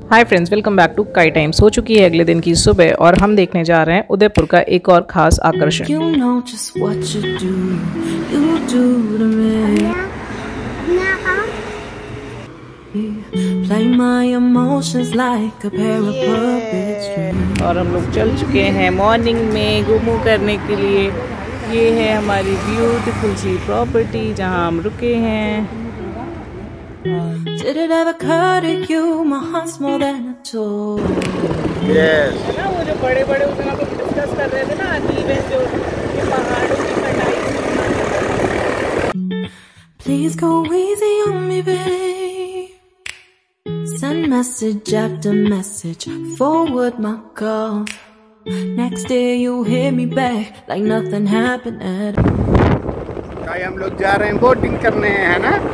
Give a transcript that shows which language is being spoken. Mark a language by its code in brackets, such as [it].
[en] Hi friends, welcome back to काई times. [hi] हो चुकी है अगले दिन की सुबह और हम देखने जा रहे हैं उदयपुर का एक और खास आकर्षण। [en] you know just what you do, you do to me. Play my emotions like a pair of puppets. [hi] और हम लोग चल चुके हैं मॉर्निंग में घूमू करने के लिए। ये है हमारी ब्यूटीफुल सी प्रॉपर्टी जहां हम रुके हैं। [en] Did it ever occur to you, my heart's more than a toy? Yes. [hi] ना वो जो बड़े-बड़े उस दिन आप डिस्कस कर रहे थे ना, नीवेस जो पहाड़ों की कटाई। [en] Please go easy on me, babe. Send message after message, forward my calls. Next day you hear me back like nothing happened at all. [hi] काय हम लोग जा रहे हैं बोटिंग करने हैं ना?